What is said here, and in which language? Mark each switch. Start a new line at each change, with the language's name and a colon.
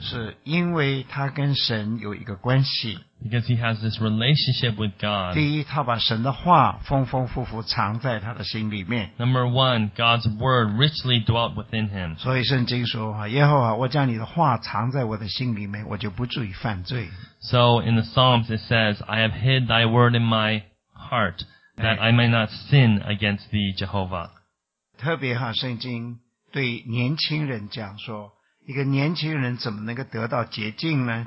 Chinese: 是因为他跟神有一个关系
English: Because he has this relationship with God.
Chinese: 第一，他把神的话丰丰富富藏在他的心里面。
English: Number one, God's word richly dwelt within him.
Chinese: 所以圣经说，耶和华，我将你的话藏在我的心里面，我就不至于犯罪。
English: So in the Psalms it says, I have hid thy word in my heart, that I may not sin against thee, Jehovah.
Chinese: 特别哈，圣经对年轻人讲说，一个年轻人怎么能够得到洁净呢？